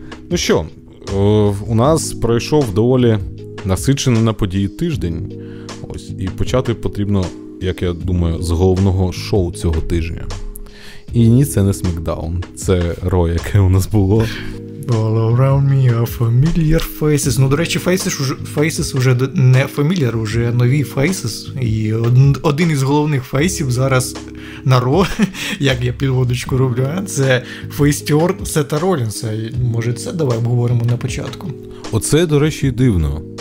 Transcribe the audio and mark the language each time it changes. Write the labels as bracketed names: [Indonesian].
[Ukrainian] Ну що, у нас пройшов доволі насичений на події тиждень. Ось, і почати потрібно, як я думаю, з головного шоу цього тижня. І ні, це не Смакдаун, це Ро, яке у нас було. [English] All around me are familiar faces. [Ukrainian] До речі, [English] faces [Ukrainian] вже не [English] familiar, [Ukrainian] вже нові [English] faces. [Ukrainian] І один із головних фейсів зараз на Ро, як я підводочку роблю, це фейстюарт Сета Ролінса. Може це давай обговоримо на початку? Оце, до речі, дивно.